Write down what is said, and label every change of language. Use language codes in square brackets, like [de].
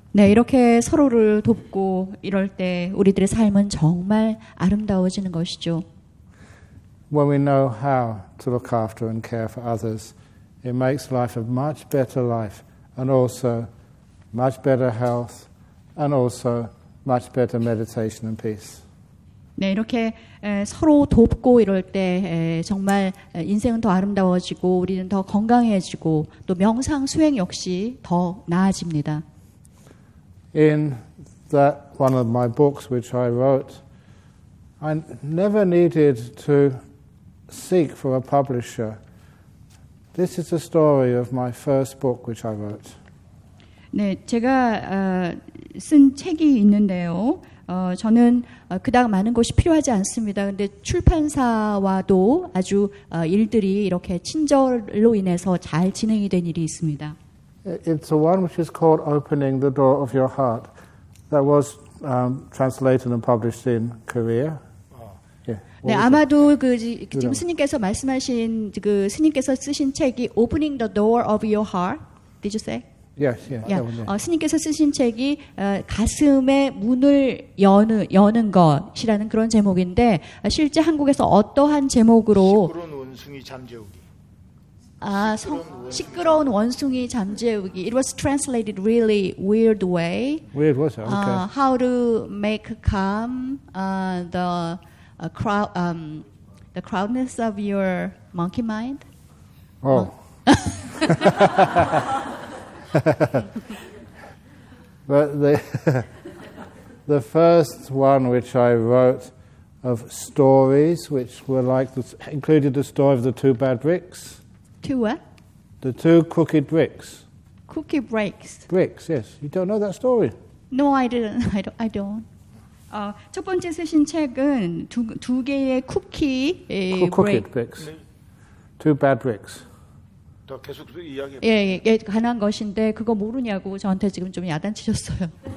[ko] 네, 이렇게 서로를 돕고 이럴 때 우리들의 삶은 정말 아름다워지는 것이죠. [en] When we know how to look after and care for others, it makes life a much better life and also much better health and also much better meditation and peace. [ko] 네, 이렇게 서로 돕고 이럴 때 정말 인생은 더 아름다워지고 우리는 더 건강해지고 또 명상 수행 역시 더 나아집니다. [en] In that one of my books, which I wrote I never needed to seek for a publisher. This is the story of my first book which I wrote. [ko] 네, 제가 쓴 책이 있는데요. 저는 그닥 많은 것이 필요하지 않습니다. 근데 출판사와도 아주 일들이 이렇게 친절로 인해서 잘 진행이 된 일이 있습니다. [en] It's the one which is called Opening the Door of Your Heart that was translated and published in Korea. Yeah. [ko] 네, 아마도 그 지금 스님께서 말씀하신 그 스님께서 쓰신 책이 Opening the Door of Your Heart. [en] Did you say? Yes, yeah. Yeah. [ko] 스님께서 쓰신 책이 가슴의 문을 여는 것이라는 그런 제목인데 실제 한국에서 어떠한 제목으로 시끄러운 원숭이 잠재우기. 시끄러운 원숭이 잠재우기. [en] It was translated really weird way. Weird was it? Okay. How to make calm the crowd the crowdness of your monkey mind? Oh. But the first one which I wrote of stories which were like this included the story of the two bad bricks. Two what? The two crooked bricks. Crooked bricks. Bricks, yes. You don't know that story? No, I didn't. I don't. [ko] 첫 번째 쓰신 책은 두 개의 쿠키 [en] crooked bricks. Two bad bricks. [ko] 더 계속 이야기. 예, 가난한 것인데 그거 모르냐고 저한테 지금 좀 야단치셨어요.